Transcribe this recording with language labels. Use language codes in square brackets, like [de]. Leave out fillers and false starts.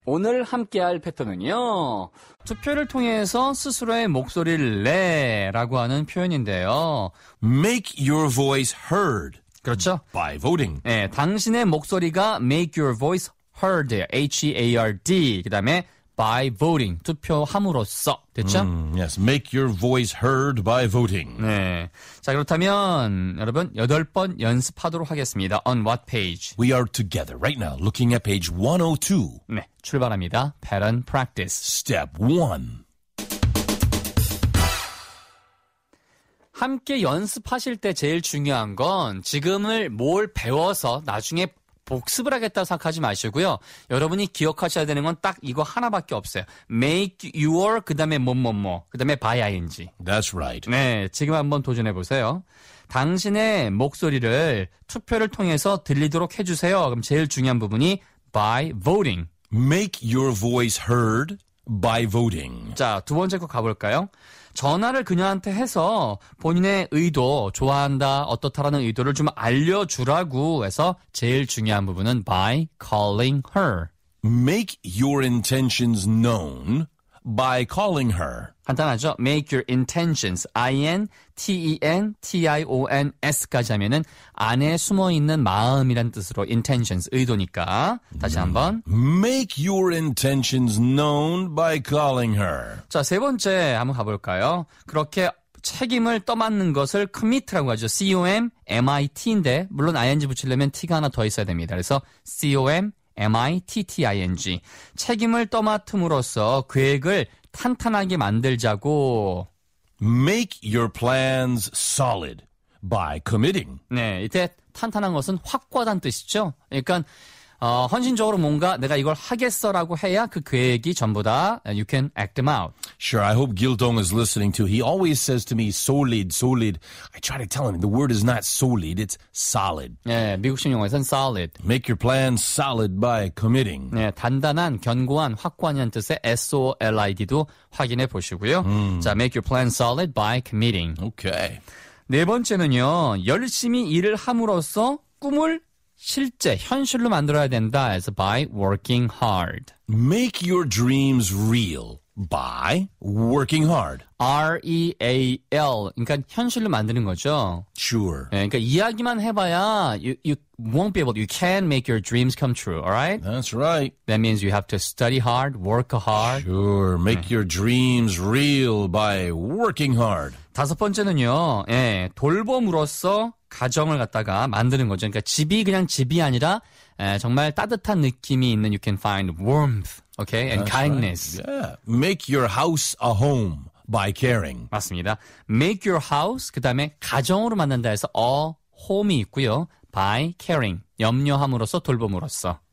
[ko] 오늘 함께할 패턴은요, 투표를 통해서 스스로의 목소리를 내 라고 하는 표현인데요. [en] Make your voice heard. [ko] 그렇죠. [en] By voting. 네, 당신의 목소리가 make your voice heard. H-E-A-R-D. [ko] 그 다음에 by voting. 투표함으로써. 됐죠? [en] Yes, make your voice heard by voting. [ko] 네. 자, 그렇다면 여러분 여덟 번 연습하도록 하겠습니다. [en] On what page? We are together right now looking at page 102. [ko] 네, 출발합니다. Pattern practice. [en] Step 1. [ko] 함께 연습하실 때 제일 중요한 건 지금을 뭘 배워서 나중에 복습을 하겠다 생각하지 마시고요. 여러분이 기억하셔야 되는 건 딱 이거 하나밖에 없어요. Make your, 그 다음에 뭐뭐뭐, 그 다음에 by ing. [en] That's right. [ko] 네, 지금 한번 도전해 보세요. 당신의 목소리를 투표를 통해서 들리도록 해주세요. 그럼 제일 중요한 부분이 by voting. [en] Make your voice heard by voting. [ko] 자, 두 번째 거 가볼까요? 전화를 그녀한테 해서 본인의 의도, 좋아한다, 어떻다라는 의도를 좀 알려주라고 해서 제일 중요한 부분은 by calling her. [en] Make your intentions known by calling her. 간단하죠? Make your intentions. [ko] I-N-T-E-N-T-I-O-N-S까지 하면은 안에 숨어있는 마음이란 뜻으로 intentions, 의도니까. 다시 한번. [en] Make your intentions known by calling her. [ko] 자, 세 번째 한번 가볼까요? 그렇게 책임을 떠맡는 것을 commit라고 하죠. C-O-M-M-I-T인데 물론 ing 붙이려면 t가 하나 더 있어야 됩니다. 그래서 C-O-M-M-I-T-T-I-N-G. 책임을 떠맡음으로써 계획을 탄탄하게 만들자고. [en] Make your plans solid by committing. [ko] 네, 이때 탄탄한 것은 확고하다는 뜻이죠. 그러니까 헌신적으로 뭔가 내가 이걸 하겠어라고 해야 그 계획이 전부 다 you can act them out. [en] Sure, I hope Gildong is listening too. He always says to me solid, solid. I try to tell him the word is not solid, it's solid. [ko] 네, 미국식 용어에서는 solid. [en] Make your plans solid by committing. [ko] 네, 단단한, 견고한, 확고한이라는 뜻의 S-O-L-I-D도 확인해 보시고요. [en] 자, make your plans solid by committing. Okay. [ko] 네 번째는요, 열심히 일을 함으로써 꿈을 실제 현실로 만들어야 된다. [en] As by working hard. Make your dreams real by working hard. R-E-A-L. [ko] 그러니까 현실로 만드는 거죠. [en] Sure. 네, 그러니까 이야기만 해봐야 you won't be able to, you can make your dreams come true. All right? That's right. That means you have to study hard, work hard. Sure. Make your dreams real by working hard. [ko] 다섯 번째는요. 예, 네, 돌봄으로서 가정을 갖다가 만드는 거죠. 그러니까 집이 그냥 집이 아니라 정말 따뜻한 느낌이 있는 you can find warmth, okay, and [en] That's kindness. Right. Yeah, make your house a home by caring. [ko] 맞습니다. Make your house 그다음에 가정으로 만든다 해서 a home 이 있고요. By caring, 염려함으로써 돌봄으로써.